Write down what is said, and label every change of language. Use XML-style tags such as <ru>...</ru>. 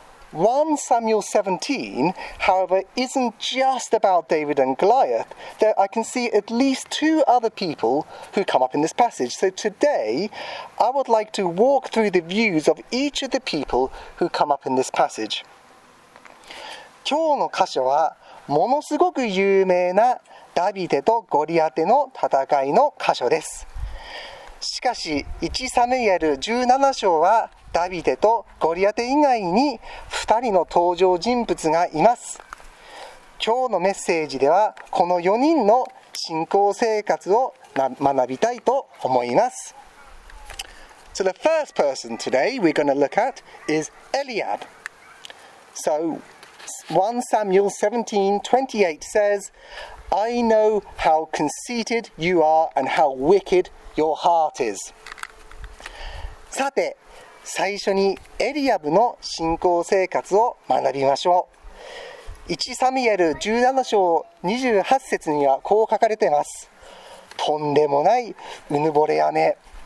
<en>1 Samuel 17, however, isn't just about David and Goliath. There, I can see at least two other people who come up in this passage. So today, I would like to walk through the views of each of the people who come up in this passage.</en> <ja>今日の箇所はものすごく有名なダビデとゴリアテの戦いの箇所です。しかし1サムエル17章はダビデとゴリアテ以外に2人の登場人物がいます。今日のメッセージではこの4人の信仰生活を学びたいと思います。</ja> <en>So the first person today we're going to look at is Eliab. So 1 Samuel 17:28 says, I know how conceited you are and how wicked your heart is.</en> <ja>さて、最初にエリアブの信仰生活を学びましょう。 1サミエル17章28節にはこう書かれています。とんでもないうぬぼれ雨。</ja>